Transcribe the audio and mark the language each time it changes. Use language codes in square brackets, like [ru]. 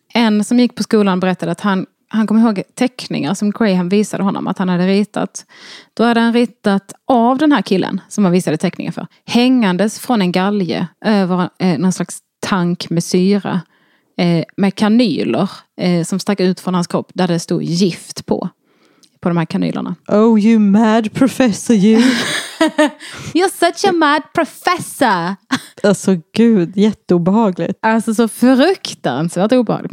[sv] En som gick på skolan berättade att han kom ihåg teckningar som Graham visade honom att han hade ritat. Då hade han ritat av den här killen som han visade teckningar för. Hängandes från en galge över någon slags tank med syra med kanyler som stack ut från hans kropp där det stod gift på de här kanylerna. [en] Oh, you mad professor, you. You're such a mad professor. [sv] Alltså gud, jätteobehagligt. Alltså så fruktansvärt obehagligt.